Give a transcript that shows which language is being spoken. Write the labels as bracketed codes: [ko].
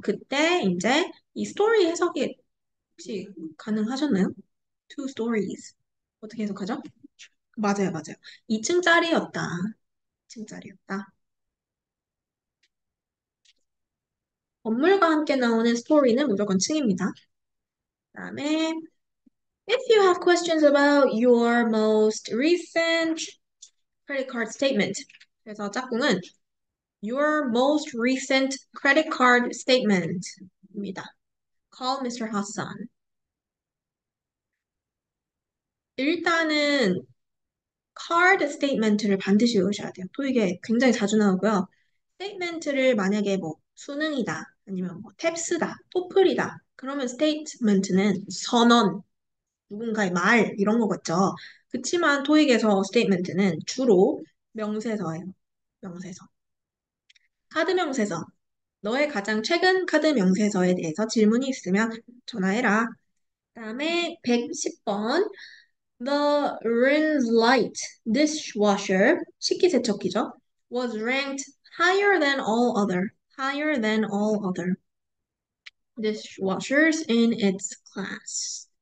[ko] 그때 이제 이 스토리 해석이 혹시 가능하셨나요? [en] Two stories. [ko] 어떻게 해석하죠? 맞아요, 맞아요. 2층짜리였다. 2층짜리였다. 건물과 함께 나오는 스토리는 무조건 층입니다. 그다음에 [en] If you have questions about your most recent credit card statement. [ko] 그래서 짝꿍은 [en] Your most recent credit card statement입니다. Call Mr. Hassan. [ko] 일단은 card statement를 반드시 외우셔야 돼요. 또 이게 굉장히 자주 나오고요. statement를 만약에 뭐 수능이다, 아니면 뭐 탭스다, 토플이다. 그러면 statement는 선언, 누군가의 말 이런 거 같죠. 그치만 토익에서 statement는 주로 명세서예요. 명세서. 카드 명세서. 너의 가장 최근 카드 명세서에 대해서 질문이 있으면 전화해라. 그다음에 110번. [en] The Rin's Light dishwasher, [ko] 식기세척기죠, [en] was ranked higher than all other, higher than all other dishwashers in its class.